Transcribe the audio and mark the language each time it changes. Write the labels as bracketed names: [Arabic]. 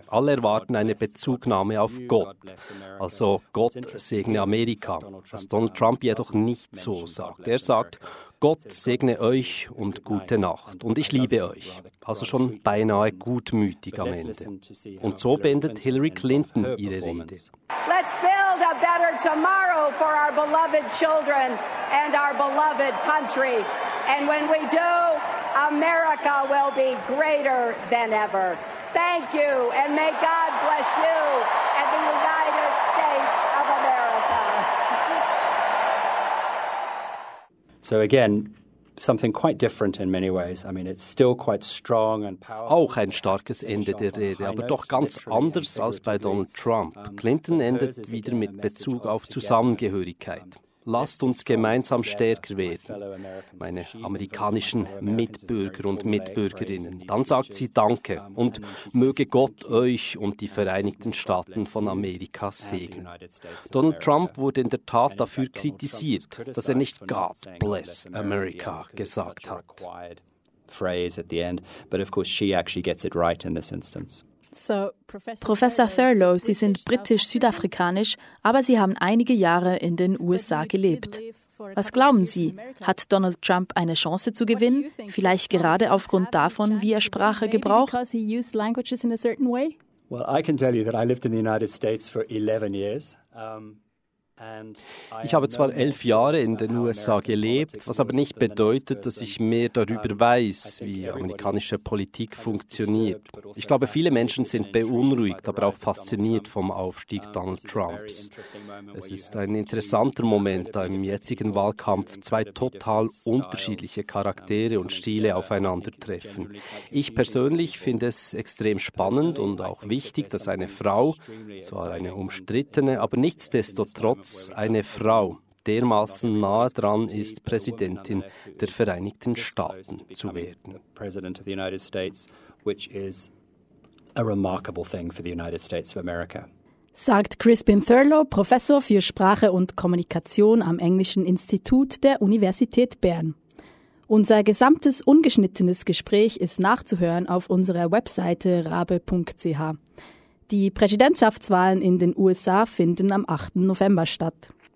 [German] Alle erwarten eine Bezugnahme auf Gott, also Gott segne Amerika, was Donald Trump jedoch nicht so sagt. Er sagt, Gott segne euch und gute Nacht und ich liebe euch, also schon beinahe gutmütig am Ende. Und so beendet Hillary Clinton ihre Rede. [English] Let's build a better tomorrow for our beloved children and our beloved country. And when we do, America will be greater than ever. Thank you and may God bless you and the United States of America. So again, something quite different in many ways. I mean, it's still quite strong and powerful. [German] Auch ein starkes Ende der Rede, aber doch ganz anders als bei Donald Trump. Clinton endet wieder mit Bezug auf Zusammengehörigkeit. Lasst uns gemeinsam stärker werden, meine amerikanischen Mitbürger und Mitbürgerinnen. Dann sagt sie Danke und möge Gott euch und die Vereinigten Staaten von Amerika segnen. Donald Trump wurde in der Tat dafür kritisiert, dass er nicht [English] God bless America [German] gesagt hat. [English] Phrase at the end, but of course she actually gets it right in this instance. [German] So, Professor Thurlow, Sie sind britisch-südafrikanisch, aber Sie haben einige Jahre in den USA gelebt. Was glauben Sie, hat Donald Trump eine Chance zu gewinnen, vielleicht gerade aufgrund davon, wie er Sprache gebraucht? [English] Well, I can tell you that I lived in the United States for 11 years. [German] Ich habe zwar 11 Jahre in den USA gelebt, was aber nicht bedeutet, dass ich mehr darüber weiß, wie amerikanische Politik funktioniert. Ich glaube, viele Menschen sind beunruhigt, aber auch fasziniert vom Aufstieg Donald Trumps. Es ist ein interessanter Moment, da im jetzigen Wahlkampf zwei total unterschiedliche Charaktere und Stile aufeinandertreffen. Ich persönlich finde es extrem spannend und auch wichtig, dass eine Frau, zwar eine umstrittene, aber nichtsdestotrotz eine Frau dermaßen nahe dran ist, Präsidentin der Vereinigten Staaten zu werden. [English] President of the United States, which is a remarkable thing for the United States of America. [German] Sagt Crispin Thurlow, Professor für Sprache und Kommunikation am Englischen Institut der Universität Bern. Unser gesamtes ungeschnittenes Gespräch ist nachzuhören auf unserer Webseite rabe.ch. Die Präsidentschaftswahlen in den USA finden am 8. November statt.